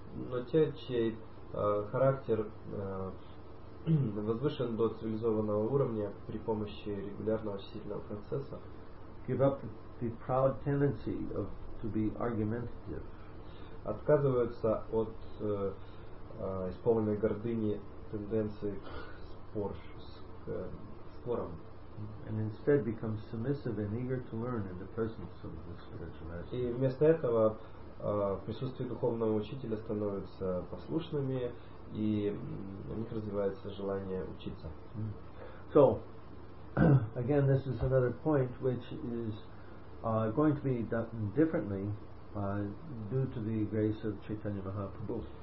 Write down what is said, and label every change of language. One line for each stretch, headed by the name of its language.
Russian: но те, чей характер возвышен до цивилизованного уровня при помощи регулярного очистительного процесса,
English: give up the proud tendency of to be argumentative,
Russian: отказываются от исполненной гордыни тенденции к спорам.
English: And instead become submissive and eager to learn in the presence of the spiritual master.
Russian: И вместо этого в присутствии духовного учителя становятся послушными, и у них развивается желание учиться.
English: So, again, this is another point which is going to be done differently due to the grace of Chaitanya Mahaprabhu.